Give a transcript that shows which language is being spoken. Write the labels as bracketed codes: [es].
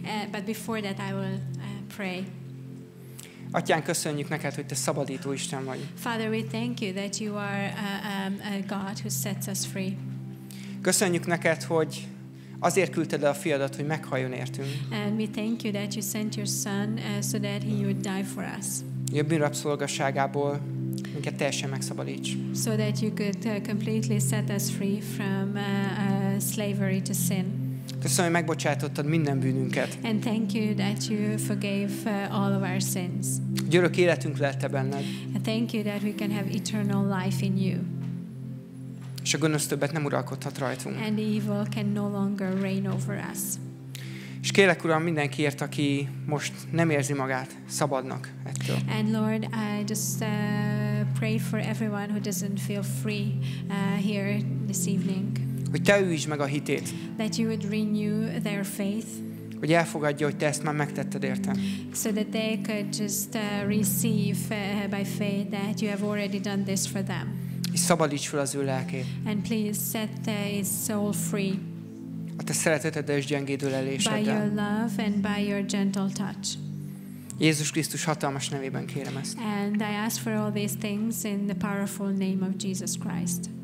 [en] But before that I will pray. [hu] Atyán, köszönjük neked, hogy te szabadító Isten vagy. [en] Father, we thank you that you are a God who sets us free. [hu] Köszönjük neked, hogy azért küldted el a fiadat, hogy meghaljon értünk. [en] And we thank you that you sent your son so that he would die for us. [hu] Jobbin rabszolgaságából minket teljesen megszabadíts. [en] So that you could completely set us free from slavery to sin. [hu] Köszönöm, hogy megbocsátottad minden bűnünket. [en] And thank you that you forgave all of our sins. [hu] Örök életünk lehet-e benned. [en] And thank you that we can have eternal life in you. [hu] És a gonosz többet nem uralkodhat rajtunk. [en] And evil can no longer reign over us. [hu] És kérlek, Uram, mindenkiért, aki most nem érzi magát szabadnak ettől. [en] And Lord, I just pray for everyone who doesn't feel free here this evening. [hu] Hogy te üjtsd meg a hitét. [en] That you would renew their faith. [hu] Hogy elfogadja, hogy te ezt már megtetted érte. [en] So that they could just receive by faith that you have already done this for them. [hu] És szabadíts fel az ő lelkét. [en] And please set his soul free. [hu] A te szereteteddel és gyengéd öleléseddel. [en] By your love and by your gentle touch. [hu] Jézus Krisztus hatalmas nevében kérem ezt. [en] And I ask for all these things in the powerful name of Jesus Christ.